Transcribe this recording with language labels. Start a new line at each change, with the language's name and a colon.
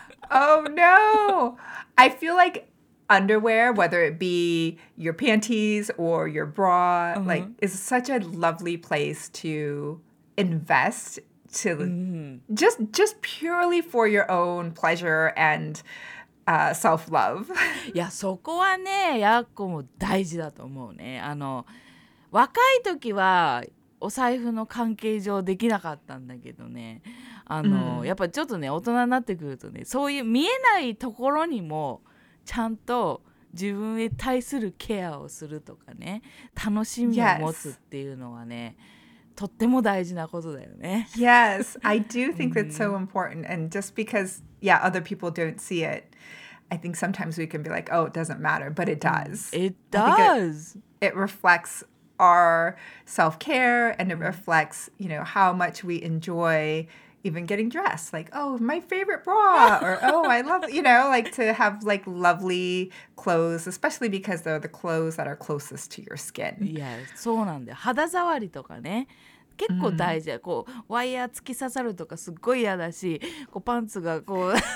English: Oh no. I feel like underwear, whether it be your panties or your bra,、uh-huh. like is such a lovely place to invest to、mm-hmm. just purely for your own pleasure andself-love.
Japanese: いや、そこはね、やっこも大事だと思うね。あの、若い時はお財布の関係上できなかったんだけどね。あの、mm. やっぱちょっとね、大人になってくるとね、そういう見えないところにもちゃんと自分へ対するケアをするとかね、楽しみを持つっていうのはね、
English: yes.
Japanese: とっても大事なことだよね。
English: Yes, I do think that's so important. And just because, yeah, other people don't see it, I think sometimes we can be like, oh, it doesn't matter, but it does. It does. It reflects our self-care and it reflects, you know, how much we enjoy even getting dressed. Like, oh, my favorite bra. Or, oh, I love, you know, like to have like lovely clothes, especially because they're the clothes that are closest to your skin.
Japanese: Yes, そうなんだよ。肌触りとかね、結構大事だ。こう、ワイヤー突き刺さるとかすっごい嫌だし、こうパンツがこう、